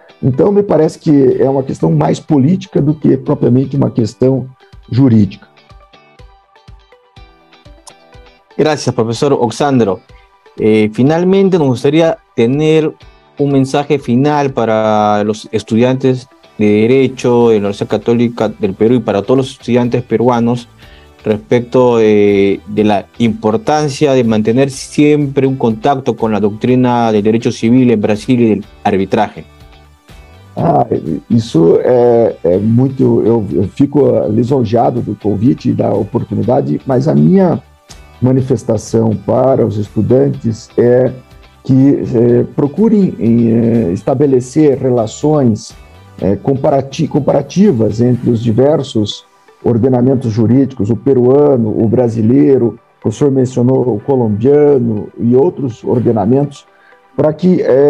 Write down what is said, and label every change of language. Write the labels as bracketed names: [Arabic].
[Portuguese] Então, me parece que é uma questão mais política do que propriamente uma questão jurídica. [Spanish] Gracias, profesor Oxandro. Finalmente, nos gustaría tener un mensaje final para los estudiantes de Derecho en la Universidad Católica del Perú y para todos los estudiantes peruanos respecto de la importancia de mantener siempre un contacto con la doctrina del derecho civil en Brasil y del arbitraje. [Portuguese] Ah, isso é muito. Eu fico lisonjeado do convite e da oportunidade, mas a minha manifestação para os estudantes é que procurem estabelecer relações comparativas entre os diversos ordenamentos jurídicos, o peruano, o brasileiro, o senhor mencionou o colombiano e outros ordenamentos, para que